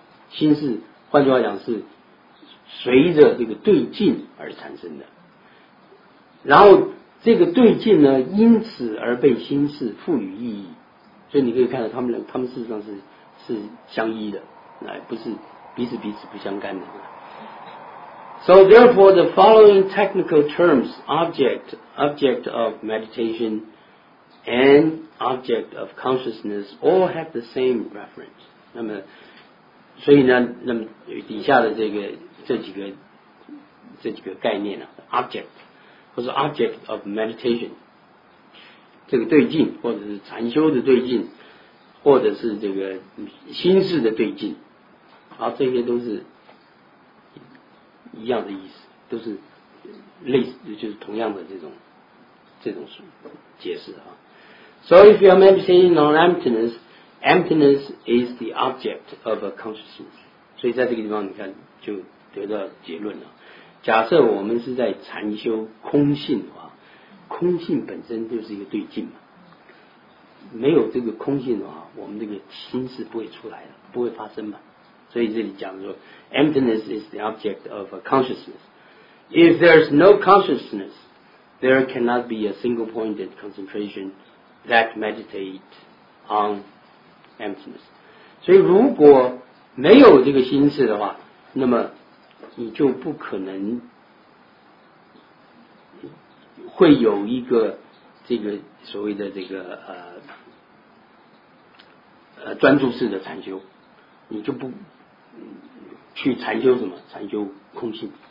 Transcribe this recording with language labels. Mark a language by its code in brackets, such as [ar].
[zh] 心事换句话讲是随着这个对境而产生的，然后这个对境呢因此而被心事赋予意义，所以你可以看到他们事实上是相依的，不是彼此彼此不相干的。 [en] So therefore, the following technical terms, object of meditation, and object of consciousness, all have the same reference. [zh] 那么，所以呢，那么底下的这几个概念呢、，object 或者 object of meditation， 这个对境，或者是禅修的对境，或者是这个心事的对境，啊，这些都是。一样的意思，都是类似，就是同样的这种解释啊。 [en] So if you are meditating on emptiness, emptiness is the object of a consciousness. [zh] 所以在这个地方，你看就得到结论了。假设我们是在禅修空性的话，空性本身就是一个对境嘛。没有这个空性的话，我们这个心是不会出来的，不会发生嘛。所以这里讲说 [en] emptiness is the object of a consciousness. If there is no consciousness, there cannot be a single-pointed concentration that meditate on emptiness. [zh] 所以如果没有这个心事的话，那么你就不可能会有一个这个所谓的这个专注式的禅修，你就不去禅修什么？禅修空性。